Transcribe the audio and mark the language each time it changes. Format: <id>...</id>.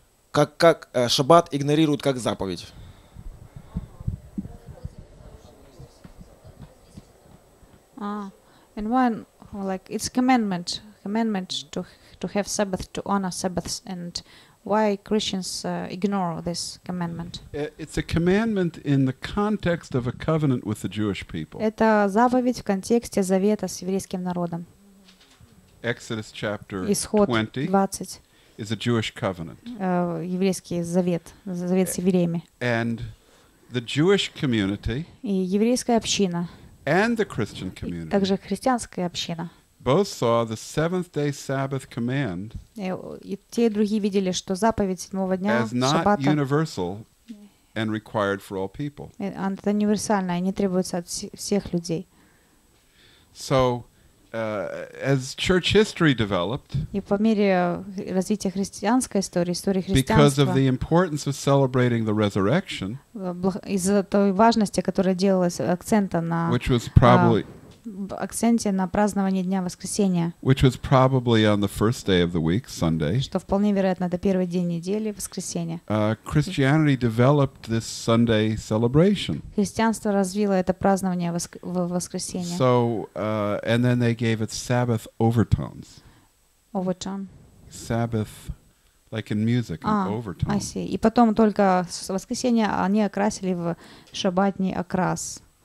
<ru>Как шаббат игнорируют как заповедь?</ru> <en>And why, like, it's commandment to have Sabbath, to honor Sabbaths, and why Christians ignore this commandment? It's a commandment in the context of a covenant with the Jewish people.</en> <ru>Это заповедь в контексте завета с еврейским народом.</ru> <en>Exodus chapter</en> <ru>20. Исход 20.</ru> <en>Is a Jewish covenant.</en> <ru>Еврейский завет, завет с евреями.</ru> <en>And the Jewish community.</en> <ru>И еврейская община.</ru> <en>And the Christian community.</en> <ru>Также христианская община.</ru> <en>Both saw the seventh day Sabbath command.</en> <ru>И те и другие видели, что заповедь седьмого дня,</ru> <en>as not</en> <ru>шаббата,</ru> <en>universal and required for all people.</en> <ru>Это универсальная, не требуется от всех людей.</ru> <en>So. As church history developed,</en> <ru>и по мере развития христианской истории, истории христианства,</ru> <en>because of the importance of celebrating the resurrection,</en> <ru>из-за той важности, которая делалась акцента на,</ru> <en>which was probably,</en> <ru>акценте на празднование дня воскресения,</ru> <en>which was probably on the first day of the week, Sunday,</en> <ru>что вполне вероятно это первый день недели, воскресенье.</ru> <en>Christianity developed this Sunday celebration.</en> <ru>Христианство развило это празднование в воскресенье.</ru> <en>So and then they gave it Sabbath overtones. Overtone. Sabbath, like in music, overtone. I see.</en> <ru>И потом только воскресенье они окрасили в шабатный окрас.</ru>